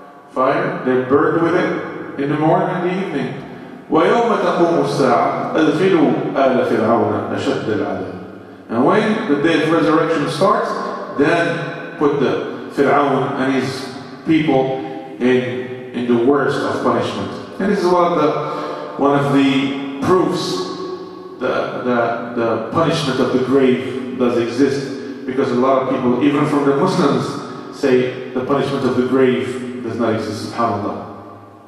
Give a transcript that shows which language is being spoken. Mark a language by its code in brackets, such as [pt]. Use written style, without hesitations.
[en] Fire, they're burned with it in the morning and the evening. [ar] ويوم تقوم الساعة أدخلوا آل فرعون أشد العذاب. [en] And when the day of resurrection starts, then put the Fir'aun and his people in the worst of punishment. And this is one of the proofs that the punishment of the grave does exist, because a lot of people, even from the Muslims, say the punishment of the grave does not exist, subhanAllah.